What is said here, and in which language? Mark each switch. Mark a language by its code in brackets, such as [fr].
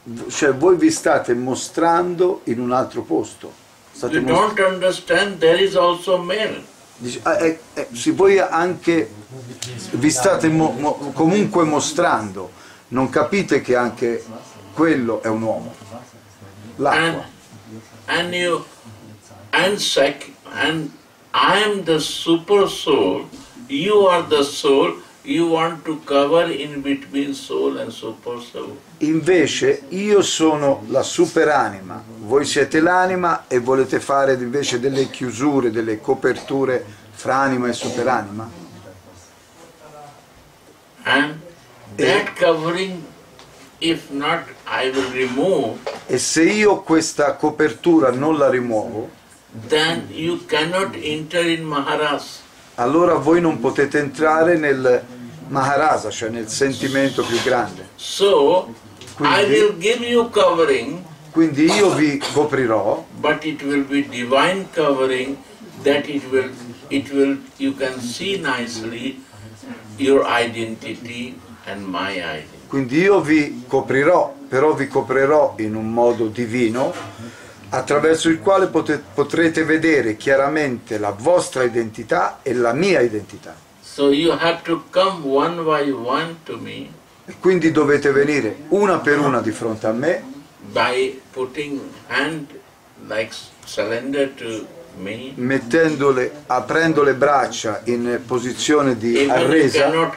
[it] Cioè voi vi state mostrando in un altro posto. State [en] you don't understand there is also male. [it] Dice, sì, voi anche vi state comunque mostrando. Non capite che anche quello è un uomo. L'acqua. [en] And I am the super soul, you are the soul, you want to cover in between soul and super soul. [it] Invece io sono la superanima, voi siete l'anima e volete fare invece delle chiusure, delle coperture fra anima e superanima. [en] And that covering, if not, I will remove. [it] E se io questa copertura non la rimuovo, [en] then you cannot enter in Maharas. [it] Allora voi non potete entrare nel Maharasa, cioè nel sentimento più grande. [en] So, quindi, I will give you covering. [it] Quindi io vi coprirò. [en] But it will be divine covering that it will you can see nicely your identity and my identity. [it] Quindi io vi coprirò, però vi coprirò in un modo divino, attraverso il quale potrete vedere chiaramente la vostra identità e la mia identità. [en] So you have to come one by one to me. [it] E quindi dovete venire una per una di fronte a me. [en] by putting hand like surrender to me, [it] mettendole, aprendo le braccia in posizione di arresa,